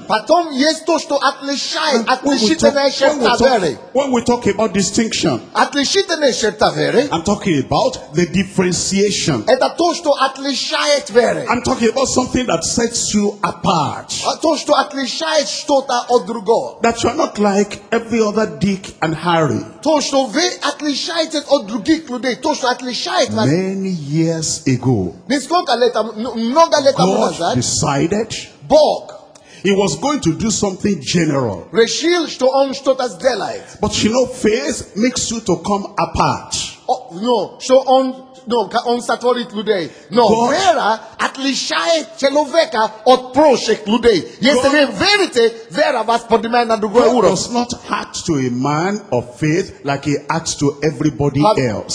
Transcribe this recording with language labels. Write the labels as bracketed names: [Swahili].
[Russian] Потом есть то, что отличительная черта веры. [English] When we talk about distinction, [Russian] отличительная черта веры. [English] I'm talking about the differentiation. [Russian] Это то, что отличает веры. [English] I'm talking about something that sets you apart. [Russian] То, что отличает что-то от другого. [English] That you are not like every other Dick and Harry. [Russian] То, что вы отличаете от других людей. То, что отличает вас. [English] Many years ago. [Russian] Несколько лет назад. [English] God decided [Russian] Бог, [English] He was going to do something general. [Russian] Решил, что он что-то сделает. [English] But you know, faith makes you to come apart. [Russian] Вера отличает человека от прочих людей. Если вы верите, вера вас поднимает на другой уровень. [English] God does not act to a man of faith like he acts to everybody else.